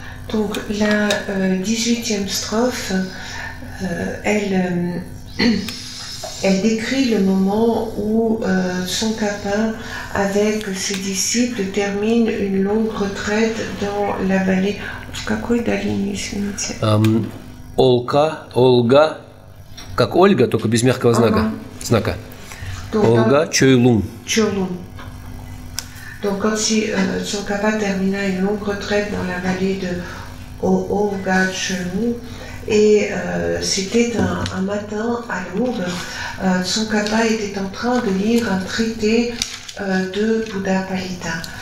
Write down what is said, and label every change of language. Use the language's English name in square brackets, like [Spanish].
[French] Donc la 18e strophe, elle décrit le moment où Tsongkhapa, avec ses disciples, termine une longue retraite dans la vallée. [Russian] В какой долине, извините? Олка, Олга, как Ольга, только без мягкого знака. Знака. Олга, Чойлун. Чойлун. [French] Donc quand Tsongkhapa termina une longue retraite dans la vallée de Olga Chelou, et c'était un matin à l'aube, Tsongkhapa était en train de lire un traité de Buddhapalita.